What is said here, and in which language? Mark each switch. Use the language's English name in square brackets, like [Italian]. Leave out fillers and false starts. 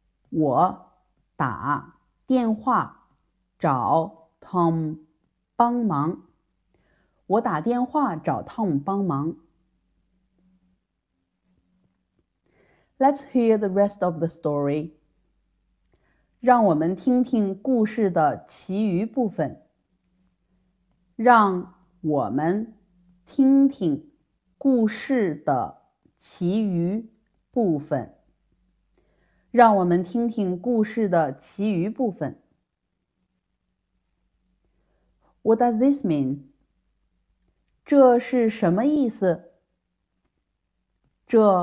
[Chinese] 我打电话找汤姆帮忙。我打电话找汤姆帮忙。 [English] Let's hear the rest of the story. [Chinese] 让我们听听故事的其余部分。让我们听听故事的其余部分。让我们听听故事的其余部分。 [English] What does this mean? [Chinese] 这是什么意思？这